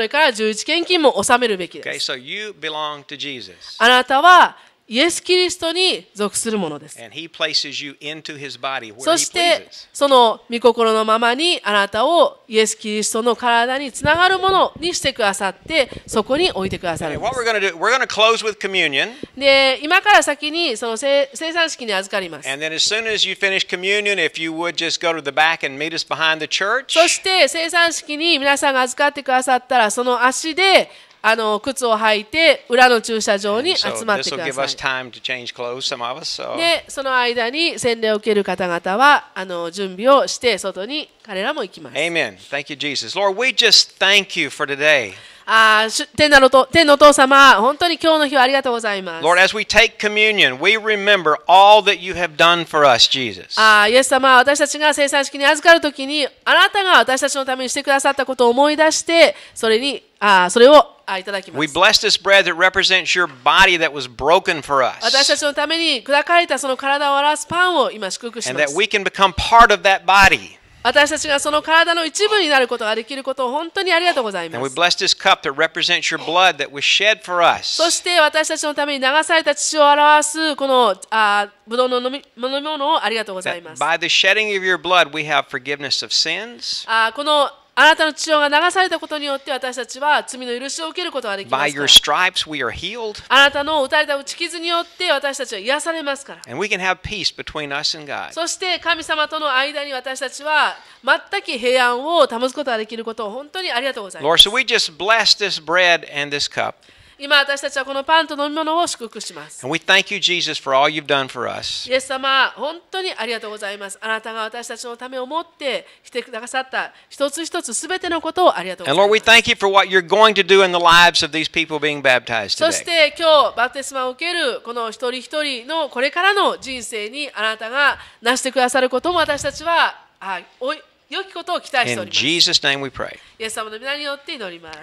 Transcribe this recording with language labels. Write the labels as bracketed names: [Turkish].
[Japanese] それから十一献金も納めるべきです。 [English] Okay, so、you belong to Jesus. [Japanese] あなたはイエス・キリストに属するものです。 [English] And he places you into his body where [Japanese] そして、その御心のままにあなたをイエス・キリストの体につながるものにしてくださって、そこに置いてくださるんです。 [English] Okay, what we're gonna do, we're gonna close with communion. [Japanese] で、今から先にその聖餐式に預かります。 [English] And then as soon as you finish communion, if you would just go to the back and meet us behind the church. [Japanese] そして、聖餐式に皆さんが預かってくださったら、その足で、あの靴を履いて裏の駐車場に集まってください。で、その間に洗礼を受ける方々はあの準備をして外に彼らも行きます。 [English] Amen. Thank you, Jesus. Lord, we just thank you for today. [Japanese] 天のお父様、本当に今日の日はありがとうございます。 [English] Lord, as we take communion, we remember all that you have done for us, Jesus. [Japanese] イエス様、私たちが聖餐式に預かるときに、あなたが私たちのためにしてくださったことを思い出して、それにそれをいただきます。 [English] We bless this bread that represents your body that was broken for us. [Japanese] 私たちのために砕かれたその体を表すパンを今祝福します。 [English] And that we can become part of that body. [Japanese] 私たちがその体の一部になることができることを本当にありがとうございます。 [English] And we bless this cup that represents your blood that was shed for us. [Japanese] そして私たちのために流された血を表すこのブドウの飲み物をありがとうございます。 [English] That by the shedding of your blood we have forgiveness of sins. [Japanese] このあなたの血潮が流されたことによって私たちは罪の許しを受けることができますから。 [English] By your stripes we are healed. [Japanese] あなたの打たれた打ち傷によって私たちは癒されますから。 [English] And we can have peace between us and God. [Japanese] そして神様との間に私たちは全く平安を保つことができることを本当にありがとうございます。 [English] Lord, so we just bless this bread and this cup. [Japanese] 今私たちはこのパンと飲み物を祝福します。 [English] And we thank you, Jesus, for all you've done for us. [Japanese] イエス様、本当にありがとうございます。あなたが私たちのためを思ってしてくださった一つ一つすべてのことをありがとうございます。 [English] And Lord, we thank you for what you're going to do in the lives of these people being baptized today. [Japanese] そして今日バプテスマを受けるこの一人一人のこれからの人生にあなたがなしてくださることも私たちは良きことを期待しております。 [English] In Jesus' name we pray. [Japanese] イエス様の皆によって祈ります。